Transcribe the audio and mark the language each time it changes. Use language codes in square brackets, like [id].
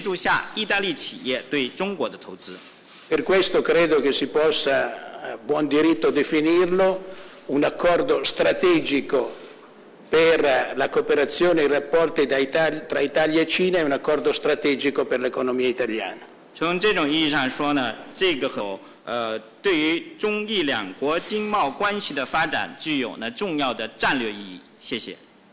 [zh] 我们会和国家电网的朋友，到现在呢，我们可以称为呢国家电网的同事为朋友了。那么呢，我们将跟他们一起呢，共同探讨呢有关中国企业他们对意大利的对于我们的投资，以及中国企业对意大利的投资，还有在我们协助下意大利企业对中国的投资。 [it] Per questo credo che si possa a buon diritto definirlo un accordo strategico per la cooperazione e i rapporti tra Italia e Cina e un accordo strategico per l'economia italiana. [zh] 从这种意义上说呢，这个对于中意两国经贸关系的发展具有呢重要的战略意义。谢谢。